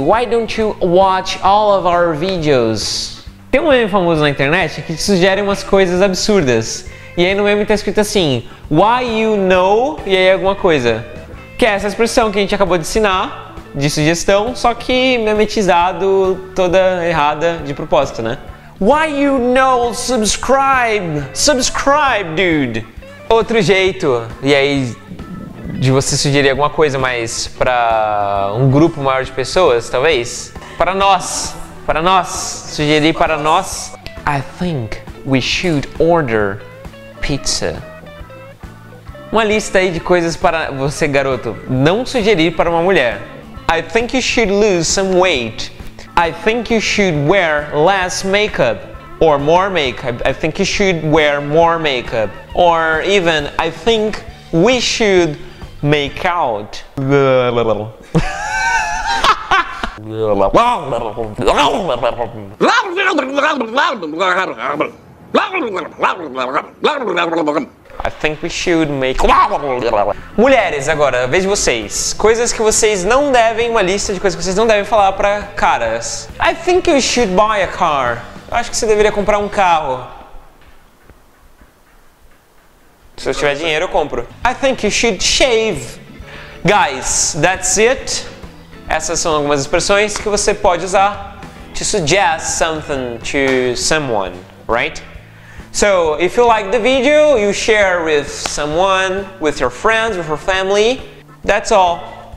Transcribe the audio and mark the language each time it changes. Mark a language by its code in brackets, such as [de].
[en] Why don't you watch all of our videos? [pt] Tem um meme famoso na internet que te sugere umas coisas absurdas. E aí no meme tá escrito assim, [en] why you know, [pt] e aí alguma coisa. Que é essa expressão que a gente acabou de ensinar. De sugestão, só que memetizado, toda errada, de propósito, né? [en] Why you know subscribe? Subscribe, dude! [pt] Outro jeito, e aí, de você sugerir alguma coisa mais pra um grupo maior de pessoas, talvez? Para nós, sugerir para nós. [en] I think we should order pizza. [pt] Uma lista aí de coisas para você, garoto, não sugerir para uma mulher. [en] I think you should lose some weight. I think you should wear less makeup or more makeup. I think you should wear more makeup. Or even, I think we should make out. I think we should make... [pt] Mulheres, agora, vez de vocês. Coisas que vocês não devem, uma lista de coisas que vocês não devem falar pra caras. [en] I think you should buy a car. [pt] Eu acho que você deveria comprar um carro. Se eu tiver dinheiro, eu compro. [en] I think you should shave. Guys, that's it. [pt] Essas são algumas expressões que você pode usar [en] to suggest something to someone, right? So, if you like the video, you share with someone, with your friends, with your family. That's all.